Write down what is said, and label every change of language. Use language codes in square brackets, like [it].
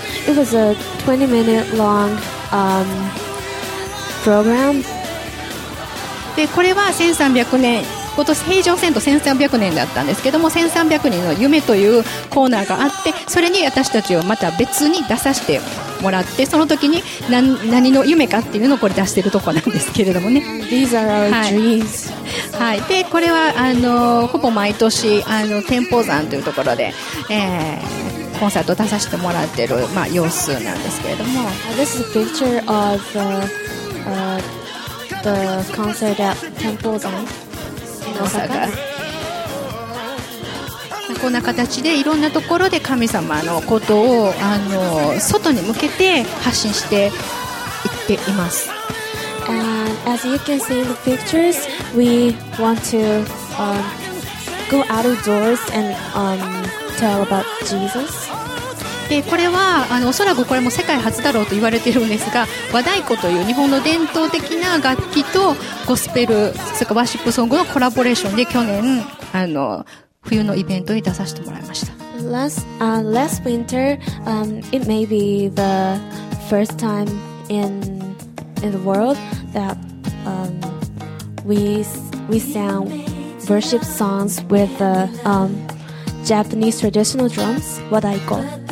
[en] It was a 20 minute long program. [ja] で、これは1300年、今年平常線と1300年だったんですけども、1300人の夢というコーナーがあって、それに私たちをまた別に出させてもらって、その時に 何の夢かっていうのをこれ出しているところなんですけれどもね。 [en] These are our dreams. [ja] はい、で、これはあのほぼ毎年あの天保山というところで、コンサート出させてもらっている、まあ、様子なんですけれども、 [en] This is a picture of the concert at 天保山 [ja] 大阪。こんな形でいろんなところで神様のことをあの外に向けて発信していっています。 [en] And as you can see in the pictures, we want to go out of doors and tell about Jesus. [ja] で、これはあのおそらくこれも世界初だろうと言われているんですが、和太鼓という日本の伝統的な楽器とゴスペル、それからワーシップソングのコラボレーションで去年あの冬のイベントに出させてもらいました。 [en] Last winter, it may be the first time in the world that we sang worship songs with the Japanese traditional drums, wadaiko.